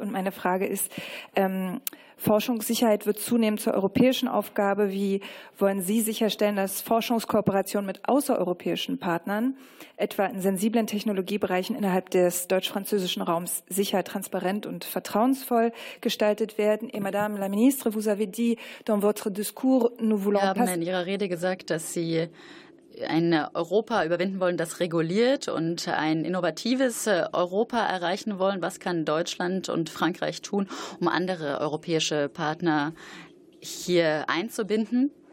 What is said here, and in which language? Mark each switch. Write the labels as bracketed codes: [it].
[de] Und meine Frage ist, Forschungssicherheit wird zunehmend zur europäischen Aufgabe. Wie wollen Sie sicherstellen, dass Forschungskooperationen mit außereuropäischen Partnern, etwa in sensiblen Technologiebereichen innerhalb des deutsch-französischen Raums, sicher, transparent und vertrauensvoll gestaltet werden? [fr] Et Madame la Ministre, vous avez dit dans votre discours, nous voulons... [de] Wir haben in Ihrer Rede gesagt, dass Sie ein Europa überwinden wollen, das reguliert, und ein innovatives Europa erreichen wollen. Was kann Deutschland und Frankreich tun, um andere europäische Partner hier einzubinden?